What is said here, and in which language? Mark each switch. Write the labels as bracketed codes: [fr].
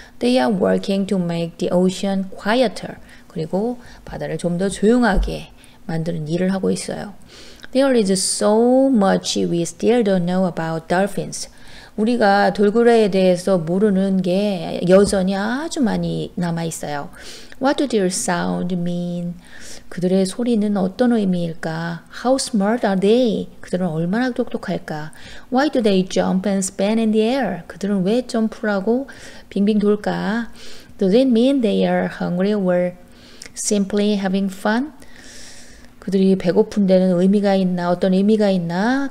[en] They are working to make the ocean quieter. [ko] 그리고 바다를 좀더 조용하게 만드는 일을 하고 있어요. [en] There is so much we still don't know about dolphins. [ko] 우리가 돌고래에 대해서 모르는 게 여전히 아주 많이 남아 있어요. [en] What do their sound mean? [ko] 그들의 소리는 어떤 의미일까? [en] How smart are they? [ko] 그들은 얼마나 똑똑할까? [en] Why do they jump and spin in the air? [ko] 그들은 왜 점프하고 빙빙 돌까? [en] Does it mean they are hungry or simply having fun? [ko] 그들이 배고픈 데는 의미가 있나? 어떤 의미가 있나?